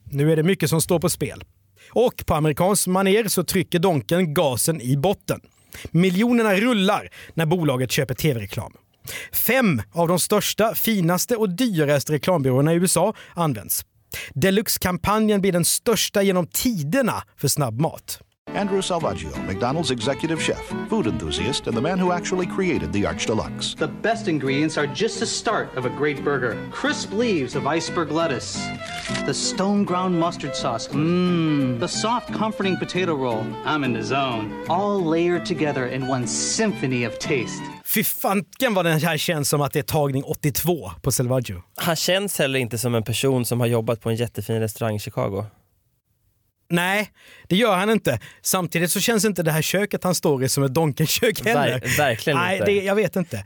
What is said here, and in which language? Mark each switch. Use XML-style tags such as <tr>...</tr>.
<sv>Nu är det mycket som står på spel. Och på amerikansk manér så trycker Donken gasen i botten. Miljonerna rullar när bolaget köper tv-reklam. Fem av de största, finaste och dyraste reklambyråerna i USA används. Deluxe-kampanjen blir den största genom tiderna för snabbmat.</sv> <en>Andrew Salvaggio, McDonald's executive chef, food enthusiast and the man who actually created the Arch Deluxe. The best ingredients are just the start of a great burger. Crisp leaves of iceberg lettuce, the stone ground mustard sauce, the soft comforting potato roll, I'm in the zone, all layered together in one symphony of taste.</en> <sv>Fy fanken vad den här känns som att det är tagning 82 på Salvaggio. Han känns heller inte som en person som har jobbat på en jättefin restaurang i Chicago. Nej, det gör han inte. Samtidigt så känns inte det här köket han står i som ett donkenkök heller. Verkligen inte. Nej, det, jag vet inte.</sv>